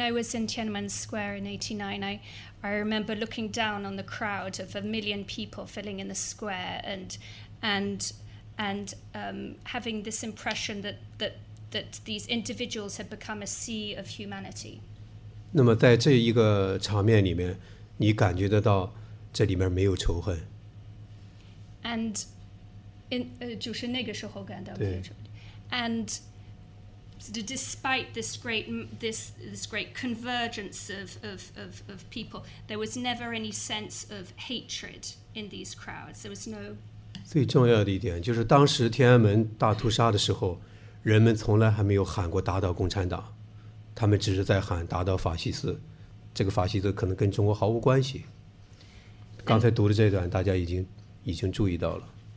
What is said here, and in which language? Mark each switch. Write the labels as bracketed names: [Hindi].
[English] I was in Tiananmen Square in 89, I remember looking down on the crowd of a million people filling in the square and having this impression that these individuals had become a sea of humanity. [Chinese] 那么在这一个场面里面， 你感觉得到这里面没有仇恨。 And 就是那个时候感到没有仇恨。 And [English] despite this great convergence of people, there was never any sense of hatred in these crowds. There was no. [Chinese] 最重要的一点就是，当时天安门大屠杀的时候，人们从来还没有喊过打倒共产党，他们只是在喊打倒法西斯。这个法西斯可能跟中国毫无关系。刚才读的这段，大家已经注意到了。